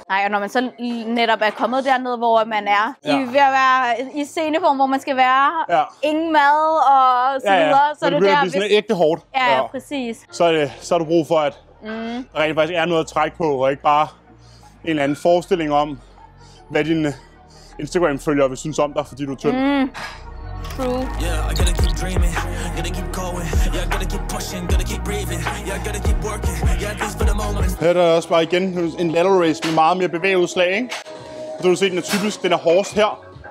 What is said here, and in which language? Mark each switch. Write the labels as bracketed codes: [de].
[da] Nej, og når man så netop er kommet dernede, hvor man er ved at være i sceneform, hvor man skal være. Ja. Ingen mad og så videre. Ja, ja. Men det bliver sådan ægte hårdt. Ja, præcis. Så er du brug for, at der rent faktisk er noget at trække på, og ikke bare en eller anden forestilling om, hvad dine Instagram-følgere vil synes om dig, fordi du er tynd. Mm. crew. [en] Yeah, I gotta keep dreaming, gotta keep going. Yeah, I gotta keep pushing, gotta keep breathing. Yeah, I gotta keep working. Yeah, at least for the moment. [da] Her er der også bare igen en lateral raise med meget mere bevægeudslag, ikke? Så du ser, den er typisk, den er hårdest her.